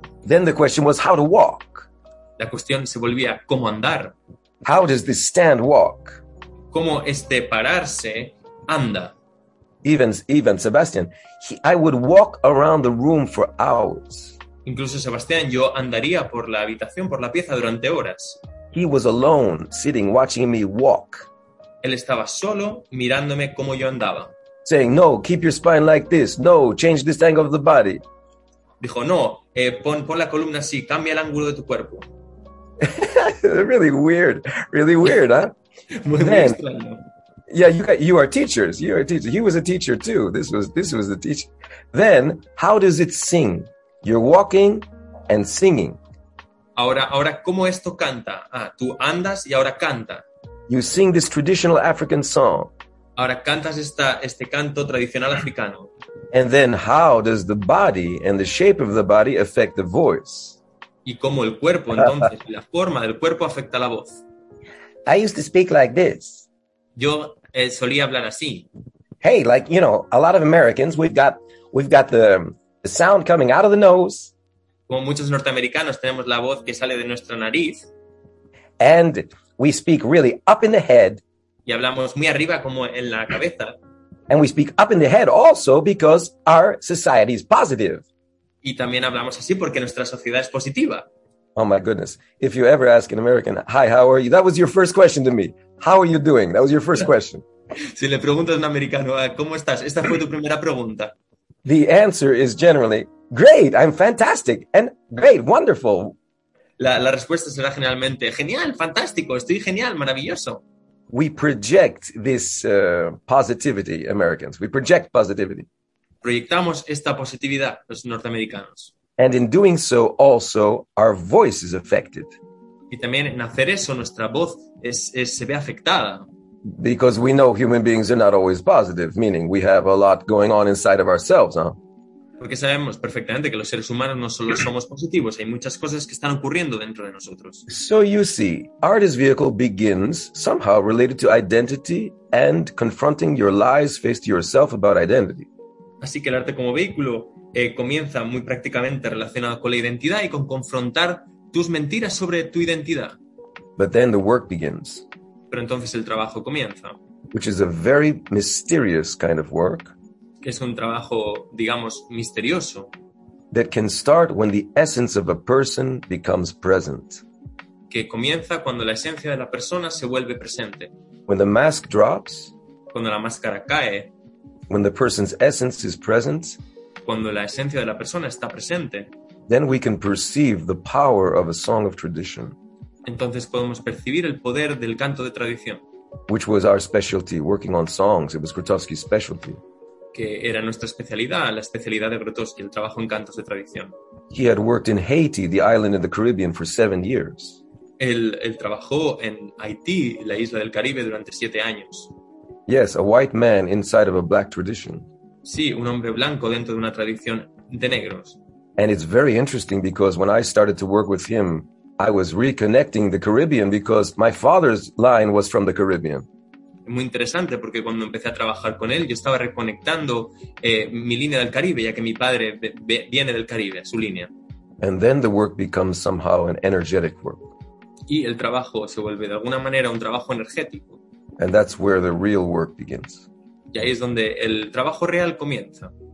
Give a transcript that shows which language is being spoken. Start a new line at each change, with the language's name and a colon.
English: Then the question was how to walk.
Spanish: La cuestión se volvía cómo andar.
English: How does this stand walk?
Spanish: Cómo este pararse anda.
English: Even Sebastian, I would walk around the room for hours.
Spanish: Incluso Sebastián, yo andaría por la habitación, por la pieza durante horas.
English: He was alone, sitting, watching me walk.
Spanish: Él estaba solo, mirándome cómo yo andaba.
English: Saying, no, keep your spine like this. No, change this angle of the body.
Spanish: Dijo, no, pon la columna así, cambia el ángulo de tu cuerpo.
English: really weird, huh?
Spanish: Muy extraño.
English: Yeah, you are teachers, you are a teacher. He was a teacher too, this was the teacher. Then, how does it sing? You're walking and singing.
Spanish: Ahora, ¿cómo esto canta? Ah, tú andas y ahora canta.
English: You sing this traditional African song.
Spanish: Ahora cantas este canto tradicional africano.
English: And then how does the body and the shape of the body affect the voice?
Spanish: Y cómo el cuerpo entonces, la forma del cuerpo afecta la voz.
English: I used to speak like this.
Spanish: Yo solía hablar así.
English: Hey, like, you know, a lot of Americans, we've got the sound coming out of the nose.
Spanish: Como muchos norteamericanos, tenemos la voz que sale de nuestra nariz.
English: And we speak really up in the head.
Spanish: Y hablamos muy arriba, como en la cabeza.
English: And we speak up in the head also because our society is positive.
Spanish: Y también hablamos así porque nuestra sociedad es positiva.
English: Oh my goodness. If you ever ask an American, hi, how are you? That was your first question to me. How are you doing? That was your first question.
Spanish: Si le preguntas a un americano, ¿cómo estás? Esta fue tu primera pregunta.
English: The answer is generally, great, I'm fantastic, and great, wonderful.
Spanish: La respuesta será generalmente, genial, fantástico, estoy genial, maravilloso.
English: We project this positivity, Americans. We project positivity.
Spanish: Proyectamos esta positividad, los norteamericanos.
English: And in doing so, also, our voice is affected.
Spanish: Y también en hacer eso, nuestra voz se ve afectada.
English: Because we know human beings are not always positive, meaning we have a lot going on inside of ourselves, huh?
Spanish: Porque sabemos perfectamente que los seres humanos no solo somos positivos, hay muchas cosas que están ocurriendo dentro de nosotros.
English: So you see, Art's vehicle begins somehow related to identity and confronting your lies faced to yourself about identity.
Spanish: Así que el arte como vehículo comienza muy prácticamente relacionado con la identidad y con confrontar tus mentiras sobre tu identidad.
English: But then the work begins.
Spanish: Pero entonces el trabajo comienza.
English: Which is a very mysterious kind of work.
Spanish: Es un trabajo, digamos, misterioso.
English: That can start when the essence of a person becomes present.
Spanish: Que comienza cuando la esencia de la persona se vuelve presente.
English: When the mask drops.
Spanish: Cuando la máscara cae.
English: When the person's essence is present.
Spanish: Cuando la esencia de la persona está presente.
English: Then we can perceive the power of a song of tradition.
Spanish: Entonces podemos percibir el poder del canto de tradición.
English: Which was our specialty, working on songs. It was Grotowski's specialty.
Spanish: Que era nuestra especialidad, la especialidad de Grotowski, el trabajo en cantos de tradición.
English: He had worked in Haiti, the island in the Caribbean, for 7 years.
Spanish: Él trabajó en Haití, la isla del Caribe, durante 7 años.
English: Yes, a white man inside of a black tradition.
Spanish: Sí, un hombre blanco dentro de una tradición de negros.
English: And it's very interesting because when I started to work with him, I was reconnecting the Caribbean because my father's line was from the Caribbean.
Spanish: Muy interesante porque cuando empecé a trabajar con él yo estaba reconectando mi línea del Caribe, ya que mi padre viene del Caribe, su línea.
English: And then the work becomes somehow an energetic work.
Spanish: Y el trabajo se vuelve de alguna manera un trabajo energético.
English: And that's where the real work begins.
Spanish: Y ahí es donde el trabajo real comienza.